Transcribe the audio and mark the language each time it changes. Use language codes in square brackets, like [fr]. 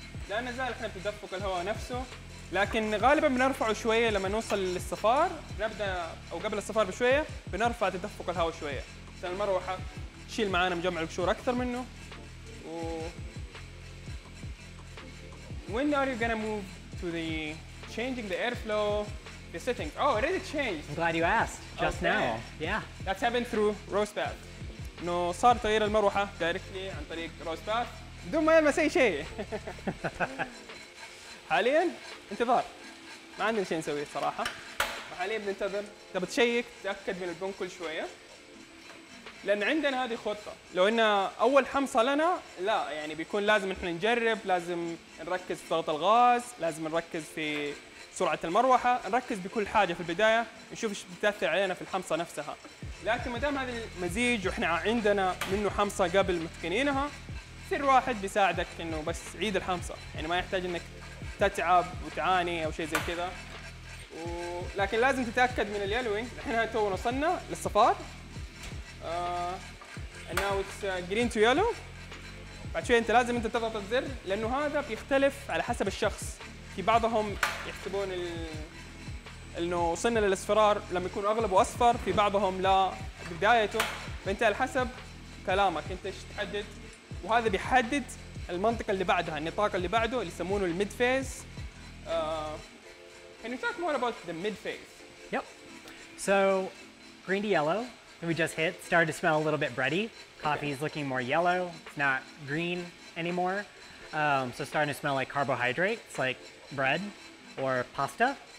[ar] لا نزال احنا بتدفق الهواء نفسه لكن غالبا بنرفعه شوية لما نوصل للصفار نبدأ أو قبل الصفار بشوية بنرفع تدفق الهواء شوية عشان المروحة تشيل معانا مجمع القشور أكثر منه. [en] و when are you gonna move to the changing the airflow, the settings. Oh, it already changed. I'm glad you asked. Just now. Yeah. That's happened through RoastPATH. [ar] No, صار تغيير المروحة directly عن طريق RoastPATH. بدون ما يلمس أي شيء. حاليا انتظار. ما عندنا شيء نسويه صراحة. حاليا بننتظر. تبى تشيك تأكد من البن كل شوية. لأن عندنا هذه خطة. لو إن أول حمصة لنا لا يعني بيكون لازم إحنا نجرب لازم نركز في ضغط الغاز لازم نركز في سرعة المروحة نركز بكل حاجة في البداية نشوف إيش بتأثر علينا في الحمصة نفسها. لكن مدام هذا المزيج وإحنا عندنا منه حمصة قبل متقنينها سر واحد بيساعدك إنه بس عيد الحمصة يعني ما يحتاج إنك تتعب وتعاني أو شيء زي كذا. لكن لازم تتأكد من اليلوينج إحنا تونا وصلنا للصفار. [en] And now it's green to yellow. [ar] بعد شوي أنت لازم أنت تضغط الزر لأنه هذا بيختلف على حسب الشخص. في بعضهم يحسبون إنه وصلنا للأصفرار لما يكون أغلبه أصفر. في بعضهم لا بدايته. فأنت على حسب كلامك أنت إيش تحدد. وهذا بيحدد المنطقة اللي بعدها النطاق اللي بعده اللي يسمونه الميد فيز. [en] Can you talk more about the mid phase? Yep. So green to yellow. We just hit, started to smell a little bit bready. Coffee is looking more yellow, not green anymore. So starting to smell like carbohydrates, like bread or pasta.